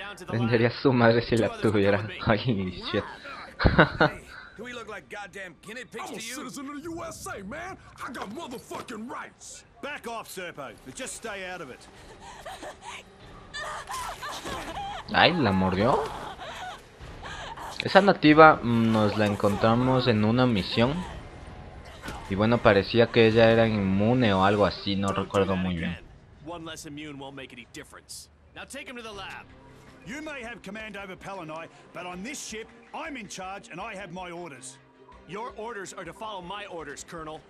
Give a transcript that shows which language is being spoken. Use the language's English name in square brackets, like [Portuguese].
[Spanish] Vendería su madre si la tuviera. [English] Ay, shit. Do we look like goddamn guinea pigs to you? I'm a citizen of the USA, man. I got motherfucking rights. Back off, Serpo. But just stay out of it. [Spanish] Ay, la mordió. Esa nativa nos la encontramos en una misión. Y bueno, parecía que ella era inmune o algo así, no recuerdo muy bien. [English] One less immune won't make any difference. Now take him to the lab. You may have command over Pelonai, but on this ship, I'm in charge and I have my orders. Your orders are to follow my orders, Colonel.